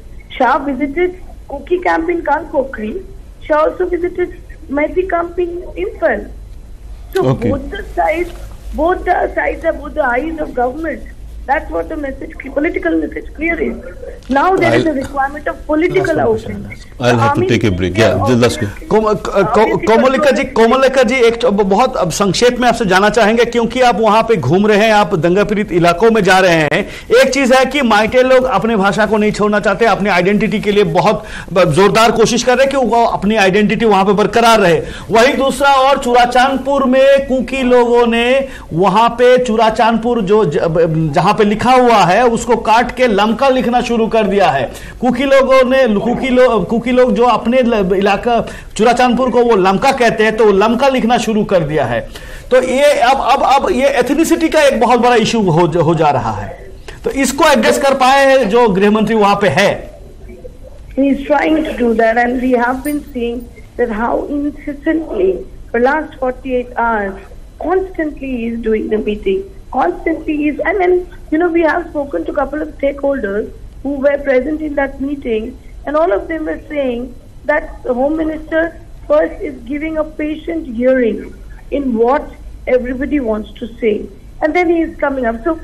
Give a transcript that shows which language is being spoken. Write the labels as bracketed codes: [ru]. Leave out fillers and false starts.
[en] Shah visited Koki camp in Kalpokri. Shah also visited Maiti camp in Imphal. So okay, both the sides are both the eyes of government. That's what the message, political message, clear is. Now there is a requirement of political outreach. I'll have to take a break. Yeah, just last question. [hi] Komalika जी एक बहुत संक्षेप में आपसे जानना चाहेंगे, क्योंकि आप वहां पे घूम रहे हैं, आप दंगा पीड़ित इलाकों में जा रहे हैं. एक चीज है कि माइटे लोग अपने भाषा को नहीं छोड़ना चाहते, अपनी आइडेंटिटी के लिए बहुत जोरदार कोशिश कर रहे हैं कि वो अपनी आइडेंटिटी वहां पे बरकरार रहे. वही दूसरा और चुराचांदपुर में कुकी लोगों ने वहां पे चुराचांदपुर जो जहां पे लिखा हुआ है उसको काट के लमका लिखना शुरू कर दिया है. कुकी लोग जो अपने इलाका चुराचांदपुर को वो लमका कहते हैं, तो वो लमका लिखना शुरू कर दिया है. तो ये अब ये एथनिसिटी का एक बहुत बड़ा इशू हो जा रहा है. तो इसको एड्रेस कर पाए हैं जो गृहमंत्री वहां पे है? [en] He is trying to do that, and we have been seeing that how insistently for last 48 hours constantly he is doing the meeting, constantly he is, and then you know, we have spoken to a couple of stakeholders who were present in that meeting, and all of them were saying that the Home Minister first is giving a patient hearing in what everybody wants to say, and then he is coming up.